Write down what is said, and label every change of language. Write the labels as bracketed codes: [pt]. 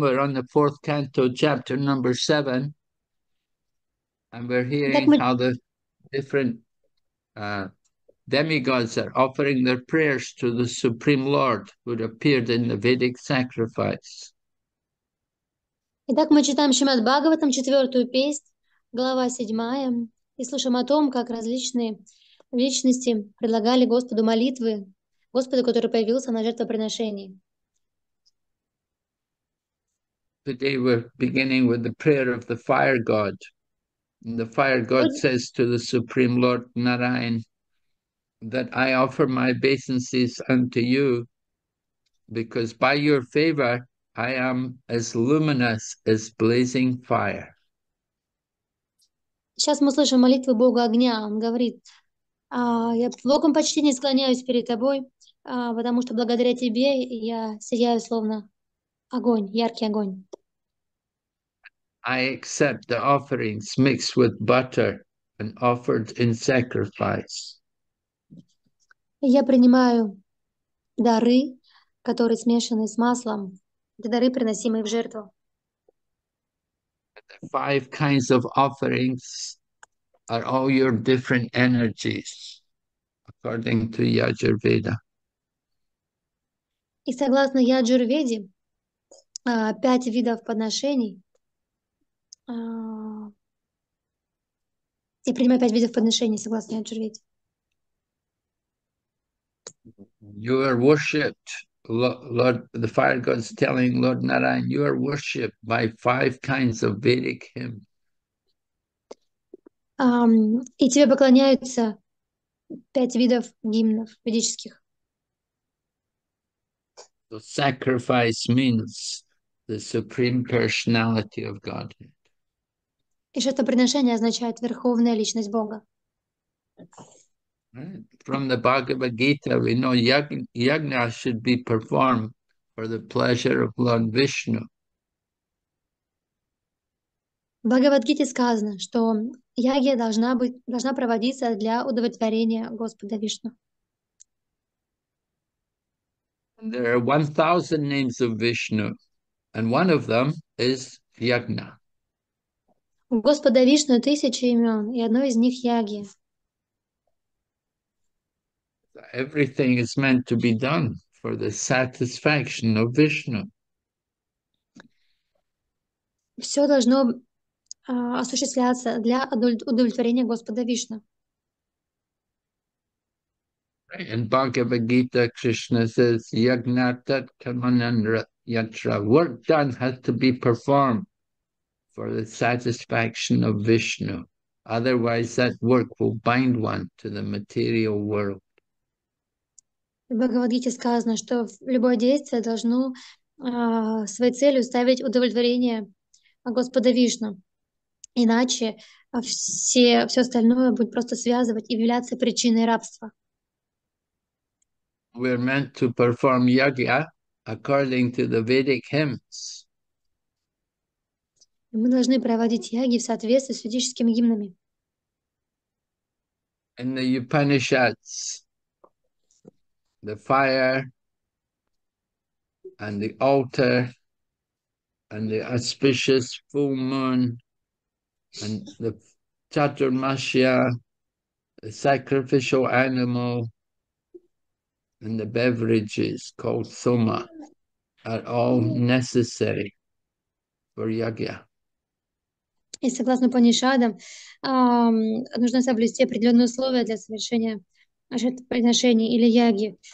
[en] We're on the fourth canto, chapter number 7, and we're hearing That how the different demigods are offering their prayers to the Supreme Lord who appeared in the Vedic sacrifice. [ru] Итак, мы читаем Шримад Бхагаватам, четвертую песнь, глава седьмая, и слушаем о том, как различные личности предлагали Господу молитвы, Господу, который появился на жертвоприношении. [en] Today we're beginning with the prayer of the fire god. And the fire god says to the Supreme Lord Narayan that I offer my obeisances unto you because by your favor I am as luminous as blazing fire. [ru] Сейчас мы слышим молитву Бога огня. Он говорит: я в глубоком почтении склоняюсь перед тобой, потому что благодаря тебе я сияю словно огонь, яркий огонь. [en] I accept the offerings mixed with butter and offered in sacrifice. [ru] Я принимаю дары, которые смешаны с маслом, это дары, приносимые в жертву. [en] The five kinds of offerings are all your different energies, according to Yajurveda. [ru] И согласно Яджурведе, пять видов подношений. Я принимаю пять видов подношений, согласно Яджурведе. [en] You are worshipped, Lord. The fire god's telling Lord Narayan, you are worshipped by five kinds of Vedic hymns. [ru] И тебе поклоняются пять видов гимнов ведических. [en] So sacrifice means the supreme personality of Godhead. [ru] И жертвоприношение означает верховная личность Бога. [en] From the Bhagavad Gita, we know yajna should be performed for the pleasure of Lord Vishnu. [ru] В Бхагавад-гите сказано, что ягья должна проводиться для удовлетворения Господа Вишну. [en] There are 1,000 names of Vishnu, and one of them is yajna. [ru] У Господа Вишну тысячи имен, и одно из них яги. [en] Everything is meant to be done for the satisfaction of Vishnu. [ru] Все должно осуществляться для удовлетворения Господа Вишну. [en] In Bhagavad Gita, Krishna says, [sa] Yagnatat Kamanandra Yatra. [en] Work done has to be performed for the satisfaction of Vishnu. Otherwise, that work will bind one to the material world. [ru] В Бхагавадгите сказано, что любое действие должно своей целью ставить удовлетворение Господа Вишну. Иначе все остальное будет просто связывать и являться причиной рабства. [en] We're meant to perform yagya according to the Vedic hymns. [ru] Мы должны проводить яги в соответствии с ведическими гимнами. [en] In the Upanishads, the fire and the altar and the auspicious full moon and the chaturmasya, the sacrificial animal, and the beverages called soma are all necessary for yagya. [ru] И согласно Панишадам, нужно соблюсти определенные условия для совершения жертвоприношений или яги.